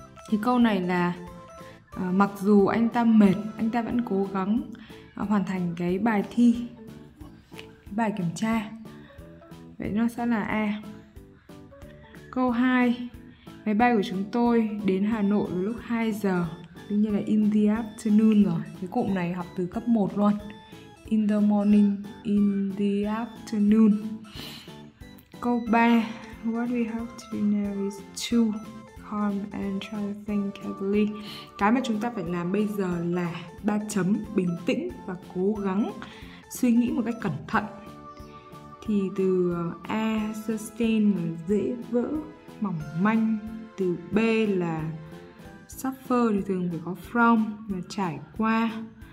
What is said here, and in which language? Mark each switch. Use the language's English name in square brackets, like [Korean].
[Vietnamese] Thì câu này là mặc dù anh ta mệt, anh ta vẫn cố gắng hoàn thành cái bài thi, bài kiểm tra. Vậy nó sẽ là A. Câu 2, máy bay của chúng tôi đến Hà Nội vào lúc 2 giờ, đương nhiên là [English] in the afternoon [Vietnamese] rồi. Cái cụm này học từ cấp 1 luôn. [English] In the morning, in the afternoon. [Vietnamese] Câu 3, [English] what we have to do now is to calm and try to think carefully. [Vietnamese] Cái mà chúng ta phải làm bây giờ là ba chấm, bình tĩnh và cố gắng suy nghĩ một cách cẩn thận. Thì từ A, sustain là dễ vỡ, mỏng manh. Từ B là suffer thì thường phải có from là trải qua.